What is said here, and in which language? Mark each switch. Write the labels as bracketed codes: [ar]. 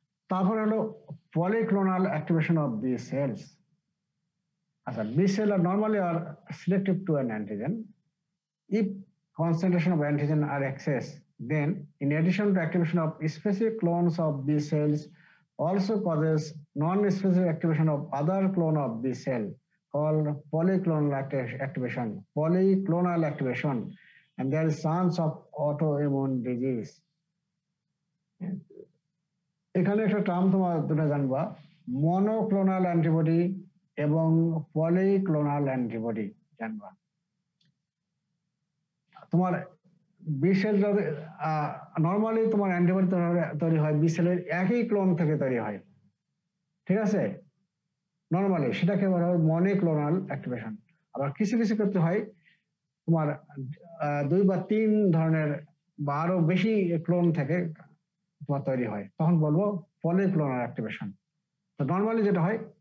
[en] তারপর হলো polyclonal activation of B cells আচ্ছা B cell are normally are selective to an antigen if concentration of antigen are excess Then, in addition to activation of specific clones of B cells, also causes non-specific activation of other clone of B cell called polyclonal activation. Polyclonal activation, and there is chance of autoimmune disease. [bn] এখানে একটা term তোমরা দুটা জানবা monoclonal antibody এবং polyclonal antibody জানবা তোমার B cell normally তোমার antibody তৈরি হয় B সেলের একই ক্লোন থেকে তৈরি হয় ঠিক আছে নরমালি সেটাকে বলা হয় মনোক্লোনাল অ্যাক্টিভেশন আবার কিছু কিছু ক্ষেত্রে হয় তোমার দুই বা তিন ধরনের বা আরো বেশি ক্লোন থেকে তোমার তৈরি হয় তখন বলবো পলিক্লোনাল অ্যাক্টিভেশন তো নরমালি যেটা হয়